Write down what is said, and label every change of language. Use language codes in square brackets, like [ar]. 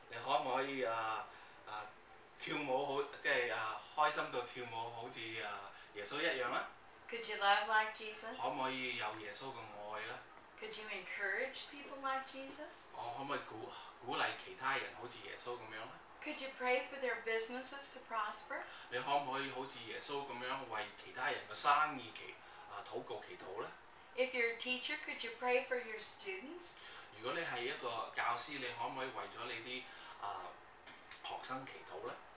[yue] 你可唔可以跳舞好，即係開心到跳舞好似耶穌一樣咧？ [en] Could you love like Jesus? [yue] 可唔可以有耶穌嘅愛咧？ [en] Could you encourage people like Jesus? [yue] 我可唔可以鼓勵其他人好似耶穌咁樣咧？ [en] Could you pray for their businesses to prosper? [yue] 你可唔可以好似耶穌咁樣為其他人嘅生意祈禱告祈禱咧？ [en] If you're a teacher, could you pray for your students? [yue] 如果你係一個教師，你可唔可以為咗你啲學生祈禱咧？